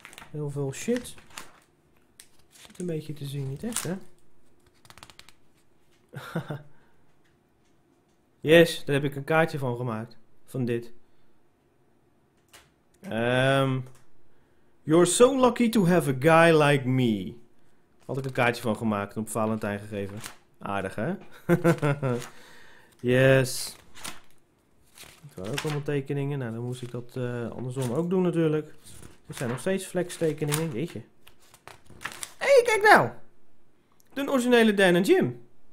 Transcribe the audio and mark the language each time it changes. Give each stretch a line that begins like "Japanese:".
Dutch: Heel veel shit. Zit een beetje te zien, niet echt, hè? Yes, daar heb ik een kaartje van gemaakt. Van dit.
English: You're so lucky to have a guy like me.
Dutch: Had ik een kaartje van gemaakt en op Valentijn gegeven. Aardig, hè? Yes. Het waren ook allemaal tekeningen. Nou, dan moest ik dat andersom ook doen, natuurlijk. Er zijn nog steeds flex-tekeningen. Jeetje. Hé, hey, kijk nou! De originele Dan en Jim.